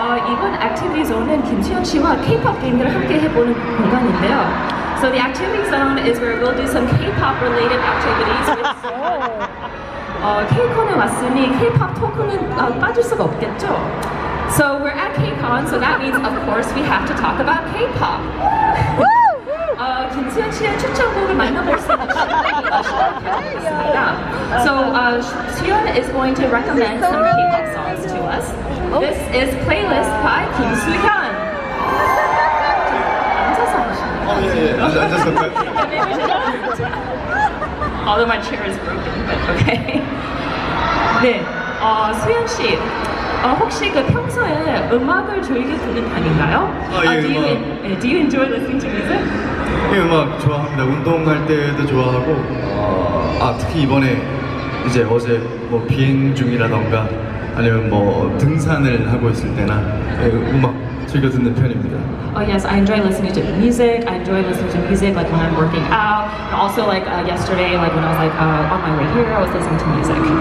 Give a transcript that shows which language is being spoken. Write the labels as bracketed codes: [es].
[ko] 이번 Activity Zone은 김수현 씨와 K-pop 게임들을 함께 해보는 공간인데요. [en] So the Activity Zone is where we'll do some K-pop related activities. [ko] K-con에 왔으니 K-pop 토크는 빠질 수가 없겠죠. [en] So we're at K-con, so that means of course we have to talk about K-pop. [ko] 김수현 씨의 추천곡을 만나볼 수 있습니다. [en] So 수현 is going to recommend some K-pop songs to us. This is playlist by Kim Soo Hyun. [ko] 앉아서 하시네요. 예, 앉아서. [en] although my chair is broken, but okay. [ko] 네, 수현 씨, 혹시 그 평소에 음악을 즐겨 듣는 편인가요? 아, 예, [en] do, [ko] 예, [en] do you enjoy listening to music? [ko] 예, 음악 좋아합니다. 운동할 때도 좋아하고, 특히 이번에 이제 어제 뭐 비행 중이라던가 아니면 뭐 등산을 하고 있을 때나 음악 즐겨 듣는 편입니다. [en] Oh yes, I enjoy listening to music. I enjoy listening to music like when I'm working out. And also like yesterday, like when I was like on my way here, I was listening to music.